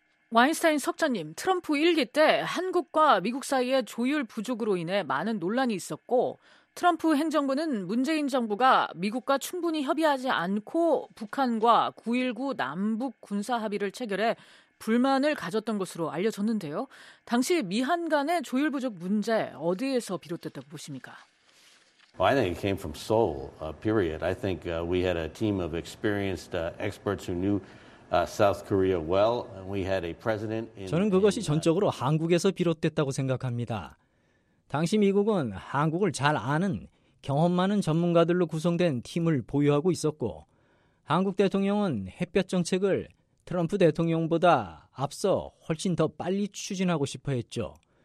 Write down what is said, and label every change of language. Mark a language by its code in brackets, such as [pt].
[ko] 와인스타인 석자님, 트럼프 1기 때 한국과 미국 사이의 조율 부족으로 인해 많은 논란이 있었고 트럼프 행정부는 문재인 정부가 미국과 충분히 협의하지 않고 북한과 9.19 남북 군사 합의를 체결해 불만을 가졌던 것으로 알려졌는데요. 당시 미한 간의 조율 부족 문제 어디에서 비롯됐다고 보십니까? [en] Well, I think it came from Seoul, period. I think we had a team of experienced experts who knew South Korea well. We had a president in [ko] 저는 그것이 전적으로 한국에서 비롯됐다고 생각합니다. 당시 미국은 한국을 잘 아는 경험 많은 전문가들로 구성된 팀을 보유하고 있었고 한국 대통령은 햇볕 정책을 트럼프 대통령보다 앞서 훨씬 더 빨리 추진하고 싶어 했죠.